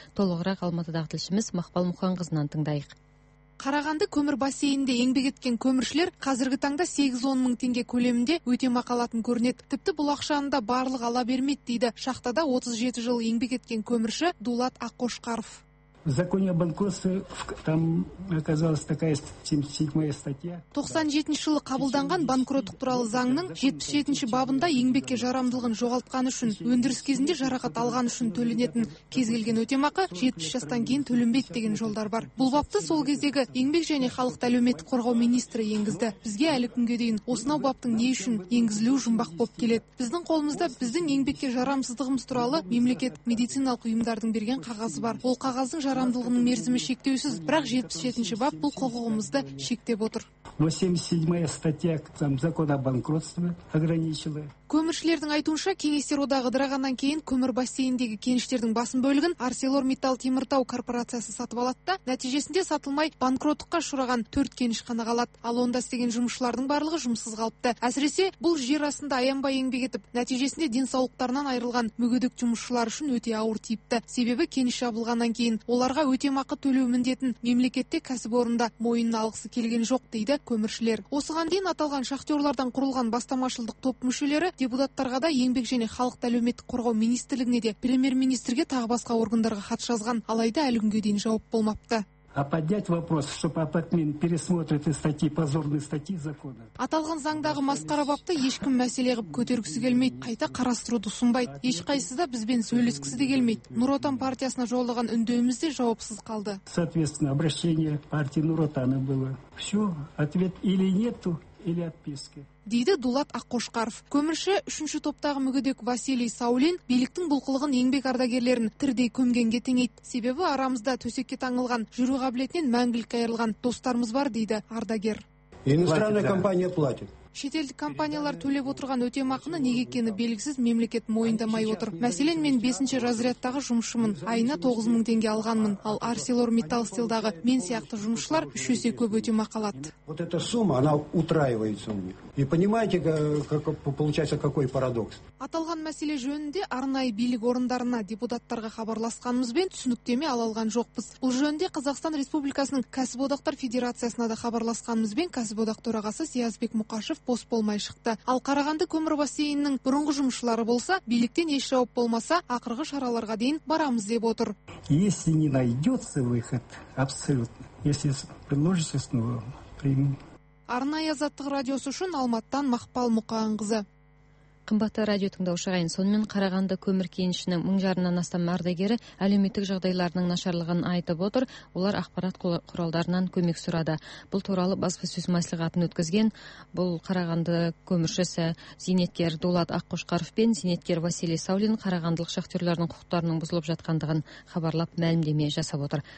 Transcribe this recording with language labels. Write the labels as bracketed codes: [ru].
[kk] Толығырақ Алматыдағы тілшіміз Мақпал Мұханқызынан тыңдайық. Қарағанды көмір бассейнінде еңбек еткен көміршілер қазіргі таңда 8-10 мың теңге көлемінде өтемақы алатын көрінеді. Тіпті бұл ақшаны да барлық ала бермейді дейді шахтада 37 жыл еңбек еткен көмірші Дулат Аққошқаров. [ru] Законе о банкротстве там оказалась такая 77-я статья. [kk] 97 жылы қабылданған банкроттық туралы заңның 77-ші бабында еңбекке жарамдылығын жоғалтқаны үшін, өндіріс кезінде жарақат алған үшін төленетін кезгелген өтемақы 70 жастан кейін төленбейді деген жолдар бар. Бұл бапты сол кездегі еңбек және халықты әлеуметтік қорғау министрі енгізді. Бізге әлі күнге дейін осынау баптың не үшін енгізілуі жұмбақ болып келеді. Біздің қолымызда біздің еңбекке жарамсыздығымыз туралы мемлекеттік медициналық ұйымдардың берген қағазы бар. Ол қағазы жарамдылығының мерзімі шектеусіз, бірақ 77-ші бап бұл құқығымызды шектеп отыр. [ru] 87-я статья там закона о банкротстве ограничила. [kk] Көміршілердің айтуынша, кеңестер одағы ыдырағаннан кейін көмір бассейніндегі кеніштердің басым бөлігін ArcelorMittal Теміртау корпорациясы сатып алады да, нәтижесінде сатылмай банкроттыққа ұшыраған 4 кеніш қана қалады. Ал онда істеген жұмысшылардың барлығы жұмыссыз қалыпты. Әсіресе, бұл жер астында аянбай еңбек етіп, нәтижесінде денсаулықтарынан айырылған мүгедек жұмысшылар үшін өте ауыр тиіпті. Себебі кеніш жабылғаннан кейін оларға өтемақы төлеу міндетін мемлекетте кәсіпорында мойнына алғысы келген жоқ дейді көміршілер. Осыған дейін аталған шахтерлардан құрылған бастамашылдық топ мүшелері депутаттарға да еңбек және халықты әлеуметтік қорғау министрлігіне де премьер-министрге тағы басқа органдарға хат жазған, алайда әлі күнге дейін жауап болмапты. [ru] А поднять вопрос, чтобы Апатмин пересмотрел эти статьи, позорные статьи закона. [kk] Аталған заңдағы масқара бапты ешкім мәселе қып көтергісі келмейді, қайта қарастыруды ұсынбайды. Ешқайсысы да бізбен сөйлескісі де келмейді. Нұр Отан партиясына жолдаған үндеуіміз де жауапсыз қалды. [ru] Соответственно, обращение партии Нұр Отана было. Все, ответ или нету, или отписки. [kk] Дейді Дулат Аққошқаров. Көмірші 3-ші топтағы мүгедек Василий Саулин биліктің бұл қылығын еңбек ардагерлерін тірдей көмгенге теңейді. Себебі арамызда төсекке таңылған, жүру қабілетінен мәңгілік айырылған достарымыз бар дейді ардагер. [ru] Иностранная компания платит. [kk] Шетелдік компаниялар төлеп отырған өтемақыны неге екені белгісіз мемлекет мойындамай отыр. Мәселен, мен 5-ші разрядтағы жұмысшымын. Айына 9 мың теңге алғанмын. Ал ArcelorMittal Steel-дағы мен сияқты жұмысшылар 3 есе көп өтемақы алады. [ru] Вот эта сумма, она утраивается у них. И понимаете, как получается какой парадокс? [kk] Аталған мәселе жөнінде арнай билік орындарына депутаттарға хабарласқанымызбен түсініктеме ала алған жоқпыз. Бұл жөнінде Қазақстан Республикасының кәсіподақтар федерациясына да хабарласқанымызбен кәсіподақ төрағасы Сиязбек Мұқашев бос болмай шықты. Ал Қарағанды көмір бассейнінің бұрынғы жұмысшылары болса, биліктен еш жауап болмаса, ақырғы шараларға дейін барамыз деп отыр. [ru] Если не найдется выход, абсолютно. Если предложите снова, примем. [kk] Арнай Азаттық радиосы үшін Алматыдан Мақпал Мұқанқызы. Қымбатты радио тыңдаушыларын сонымен Қарағанды көмір кенішінің 1500-нан астам ардагері әлеуметтік жағдайларының нашарлығын айтып отыр. Олар ақпарат құралдарынан көмек сұрады. Бұл туралы баспасөз мәслихатын өткізген бұл Қарағанды көміршісі зейнеткер Дулат Аққошқаров пен зейнеткер Василий Саулин қарағандылық шахтерлердің құқықтарының бұзылып жатқандығын хабарлап мәлімдеме жасап отыр.